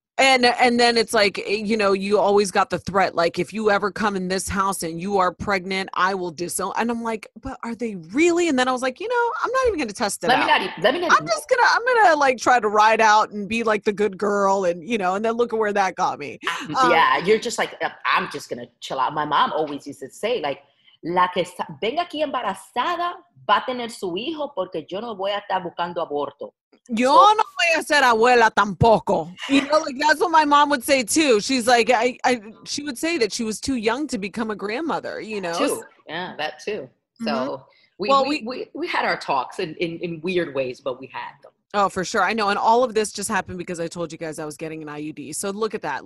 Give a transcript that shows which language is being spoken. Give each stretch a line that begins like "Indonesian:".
English: And then it's like, you know, you always got the threat, like, if you ever come in this house and you are pregnant, I will disown. And I'm like, but are they really? And then I was like, you know, I'm not even going to test it out. I'm going to like try to ride out and be like the good girl. And, you know, and then look at where that got me. Yeah. You're just like, I'm just going to chill out. My mom always used to say like,
Spanish: la que venga aquí embarazada va a tener su hijo porque yo no voy a estar buscando aborto. Yo no voy a ser abuela tampoco.
English: You know, like that's what my mom would say too. She's like, she would say that she was too young to become a grandmother, you know? Too. Yeah, that too. So mm-hmm. we had our talks in weird ways, but we had them. Oh, for sure. I know. And all of this just happened because I told you guys I was getting an IUD. So look at that.